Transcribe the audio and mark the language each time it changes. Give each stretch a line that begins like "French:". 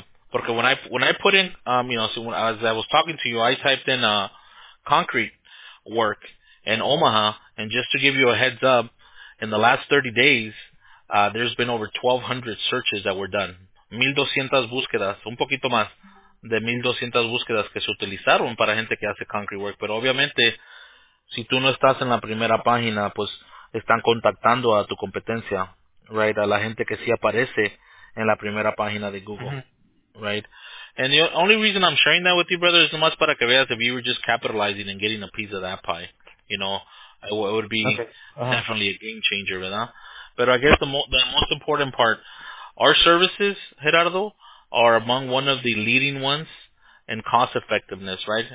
English: Porque when I put in, as I was talking to you, I typed in concrete work in Omaha, and just to give you a heads up, in the last 30 days, there's been over 1,200 searches that were done.
Spanish: 1,200 búsquedas, un poquito más de 1,200 búsquedas que se utilizaron para gente que hace
English: concrete work.
Spanish: Pero obviamente, si tú no estás en la primera página, pues están contactando a tu competencia, right? A la gente que sí aparece en la primera página de Google, right?
English: And the only reason I'm sharing that with you, brother, is
Spanish: nomás para que veas
English: if you were just capitalizing and getting a piece of that pie, you know, it would be definitely a game changer, ¿verdad? Pero I guess the most important part, our services, Gerardo, are among one of the leading ones in cost effectiveness, right?